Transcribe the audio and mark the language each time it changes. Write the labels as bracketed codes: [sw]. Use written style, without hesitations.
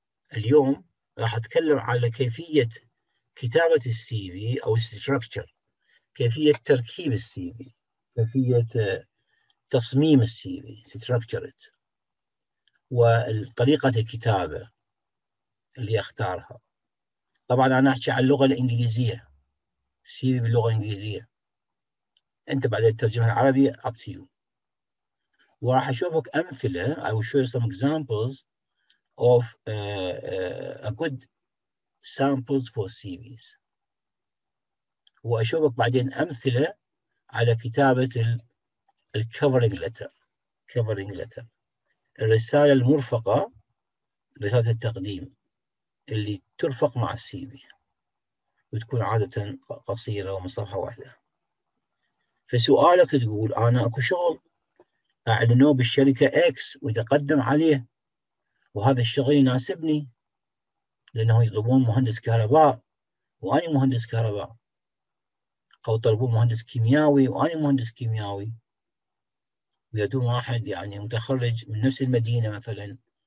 [ar] فاليوم راح اتكلم على كيفيه كتابه السي في او الستراكشر، كيفيه تركيب السي في، كيفيه تصميم السي في ستراكشر، وطريقه الكتابه اللي اختارها. طبعا انا احكي على اللغه الانجليزيه، سي في باللغه الانجليزيه، انت بعدين ترجمها العربي [en] up to you. [ar] وراح اشوفك امثله، [en] I will show you some examples of a good samples for CVs، [ar] واشوفك بعدين امثله على كتابه الكفرنج لتر. كفرنج لتر الرساله المرفقه، رساله التقديم اللي ترفق مع السي في وتكون عادة قصيرة ومصفحة واحدة. فسؤالك تقول أنا أكو شغل أعلنوه بالشركة X وإذا قدم عليه وهذا الشغل يناسبني لأنه يطلبون مهندس كهرباء وأنا مهندس كهرباء، أو طلبون مهندس كيمياوي وأنا مهندس كيمياوي، ويدوم واحد يعني متخرج من نفس المدينة مثلاً